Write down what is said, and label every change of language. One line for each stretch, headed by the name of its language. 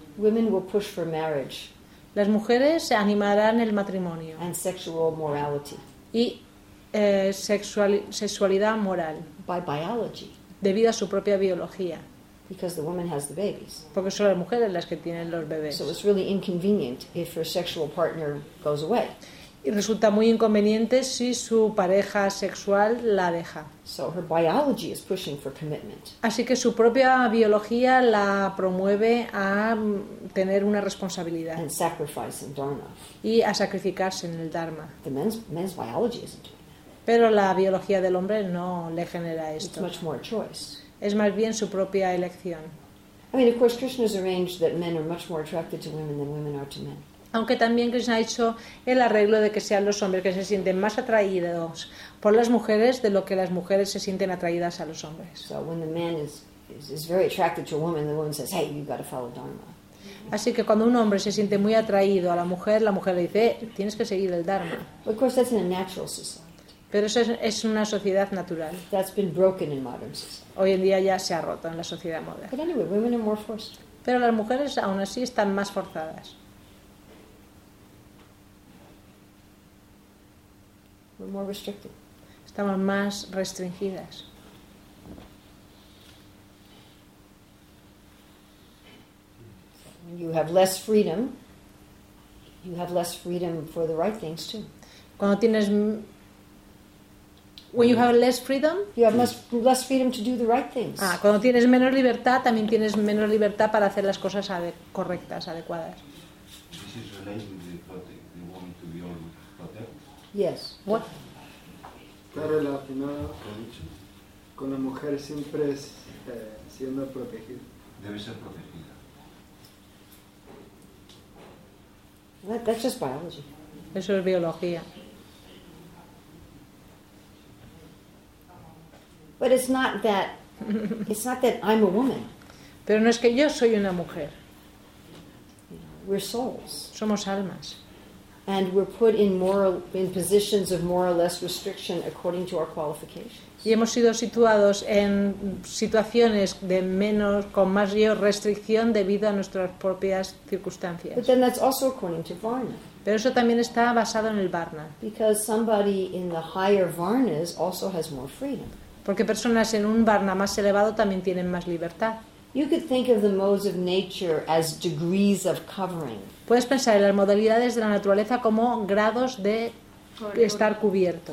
English: women will push for marriage,
Spanish: las mujeres se animarán el matrimonio
English: and sexual morality,
Spanish: y sexualidad moral
English: by biology,
Spanish: debido a su propia biología.
English: Because the woman has the babies.
Spanish: Porque son las mujeres las que tienen los bebés.
English: So it's really inconvenient if her sexual partner goes away.
Spanish: Y resulta muy inconveniente si su pareja sexual la deja.
English: So her biology is pushing for commitment.
Spanish: Así que su propia biología la promueve a tener una responsabilidad.
English: And sacrifice in dharma.
Spanish: Y a sacrificarse en el dharma.
English: The men's biology isn't doing that.
Spanish: Pero la biología del hombre no le genera esto.
English: It's much more choice.
Spanish: Es más bien su propia elección.
English: I mean, of course, Krishna has arranged that men are much more attracted to women than women are to men.
Spanish: Aunque también Krishna ha hecho el arreglo de que sean los hombres que se sienten más atraídos por las mujeres de lo que las mujeres se sienten atraídas a los hombres.
English: So when the man is very attracted to a woman, the woman says, "Hey, you've got to follow dharma."
Spanish: Así que cuando un hombre se siente muy atraído a la mujer le dice, "Tienes que seguir el dharma."
English: But of course, that's in a natural society.
Spanish: Pero eso es una sociedad natural.
English: That's been broken in modern society.
Spanish: Hoy en día ya se ha roto en la sociedad moderna.
English: But anyway, women are more forced.
Spanish: Pero las mujeres aún así están más forzadas.
English: We're more restricted.
Spanish: Estamos más restringidas.
English: You have less freedom. You have less freedom for the right things too.
Spanish: Cuando tienes
English: When you have less freedom, you have less freedom to do the right things.
Spanish: Ah, cuando tienes menos libertad, también tienes menos libertad para hacer las cosas correctas, adecuadas.
English: This is related to the woman to be all protected. Yes. What?
Spanish: Está relacionado con la mujer siempre es siendo protegida. Debe ser protegida.
English: That's just biology.
Spanish: Eso es biología.
English: But it's not that I'm a woman.
Spanish: Pero no es que yo soy una mujer.
English: We're souls.
Spanish: Somos almas.
English: And we're put in positions of more or less restriction according to our qualifications.
Spanish: Y hemos sido situados en situaciones de menos con más restricción debido a nuestras propias circunstancias.
English: But then that's also according to varna.
Spanish: Pero eso también está basado en el varna.
English: Because somebody in the higher varnas also has more freedom.
Spanish: Porque personas en un varna más elevado también tienen más libertad.
English: You could think of the modes of nature as degrees of covering.
Spanish: Puedes pensar en las modalidades de la naturaleza como grados de estar cubierto.